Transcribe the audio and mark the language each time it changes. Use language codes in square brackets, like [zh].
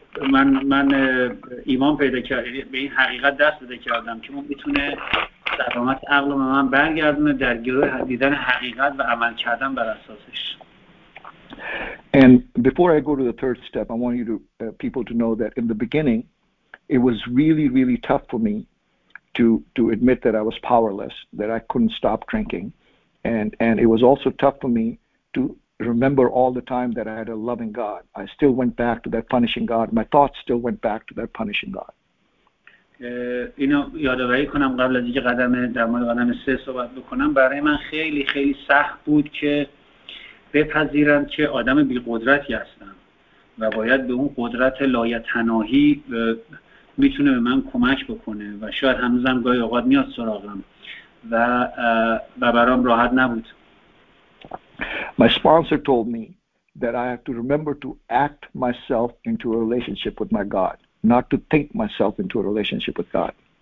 [fa] من ایمان پیدا کردم به این حقیقت، دست پیدا کردم که اون میتونه سلامت عقل رو به من برگردونه در گروه دیدن حقیقت و عمل کردن بر اساسش. [en] And before I go to the third step, I want you to people to know that in the beginning, it was really, really tough for me to admit that I was powerless, that I couldn't stop drinking, and it was also tough for me to remember all the time that I had a loving God. I still went back to that punishing God. My thoughts still went back to that punishing God. [fa] اینو یادآوری کنم قبل از اینکه قدم سه صحبت بکنم، برای من خیلی خیلی سخت بود که بپذیرم که آدم بی قدرتی هستم و باید به اون قدرت لایتناهی میتونه به من کمک بکنه و شاید هنوزم گاهی اوقات میاد سراغم و برام راحت نبود. [en] My sponsor told me that I have to remember to act myself into a relationship with my God, not to think myself into a relationship with God.